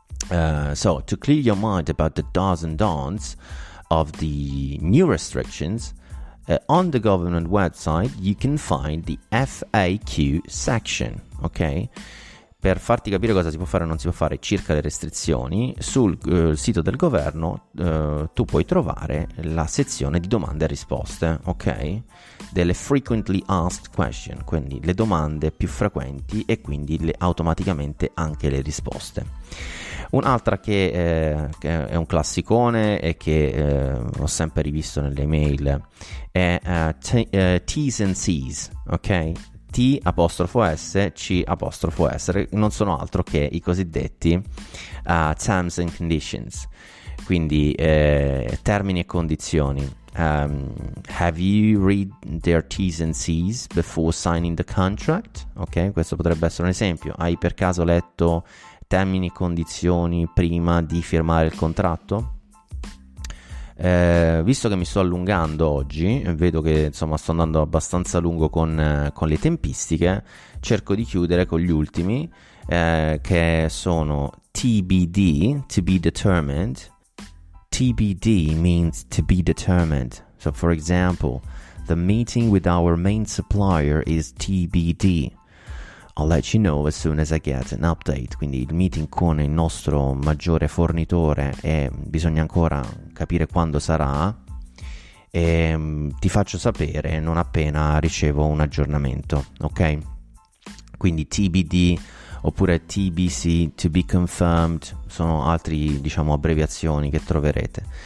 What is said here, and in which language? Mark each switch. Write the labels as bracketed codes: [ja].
[en] So, to clear your mind about the do's and don'ts of the new restrictions, on the government website you can find the FAQ section, ok? [it] Per farti capire cosa si può fare e non si può fare circa le restrizioni, sul sito del governo tu puoi trovare la sezione di domande e risposte, ok? Delle [en] frequently asked questions, [it] quindi le domande più frequenti e quindi automaticamente anche le risposte. Un'altra che è un classicone e che ho sempre rivisto nelle mail è T's and C's, ok? T apostrofo S, C apostrofo S, non sono altro che i cosiddetti [en] terms and conditions, [it] quindi termini e condizioni. [en] Have you read their T's and C's before signing the contract? [it] Ok, questo potrebbe essere un esempio. Hai per caso letto termini e condizioni prima di firmare il contratto? Visto che mi sto allungando oggi, vedo che insomma sto andando abbastanza lungo con le tempistiche, cerco di chiudere con gli ultimi, che sono TBD, [en] to be determined. TBD means to be determined. So for example, the meeting with our main supplier is TBD. I'll let you know as soon as I get an update. [it] Quindi il meeting con il nostro maggiore fornitore e bisogna ancora capire quando sarà, e ti faccio sapere non appena ricevo un aggiornamento, ok? Quindi TBD oppure TBC, [en] to be confirmed, [it] sono altri, diciamo, abbreviazioni che troverete.